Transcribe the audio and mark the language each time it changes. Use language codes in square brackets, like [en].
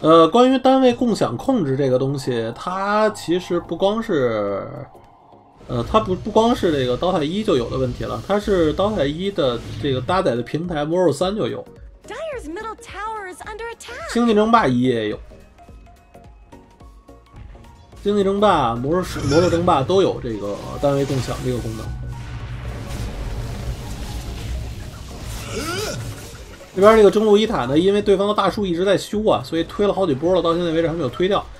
[zh] 关于单位共享控制这个东西，它其实不光是，它不光是这个 DOTA 1就有的问题了，它是 DOTA 1的这个搭载的平台 Moro 3就有。 [en] Dire's middle tower is under attack. [zh] 星际争霸1也有。星际争霸、魔兽争霸都有这个单位共享这个功能。这边这个中路伊塔呢，因为对方的大树一直在修啊，所以推了好几波了，到现在为止还没有推掉。